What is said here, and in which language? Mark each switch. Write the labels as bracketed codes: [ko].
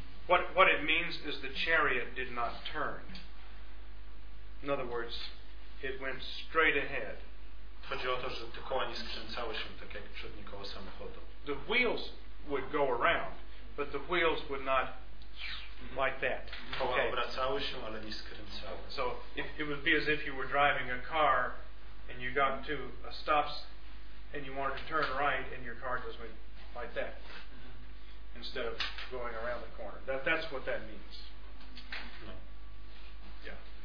[en] What it means is the chariot did not turn. In other words, it went straight ahead. [pl] Chodzi o to, że te koła nie skręcały się tak jak przednie koła samochodu. [en] The wheels would go around, but the wheels would not like that. [pl] Koła obracały się, ale nie skręcały. [en] So it would be as if you were driving a car and you got to a stop and you wanted to turn right and your car just went like that instead of going around the corner. That's what that means. No. Yeah.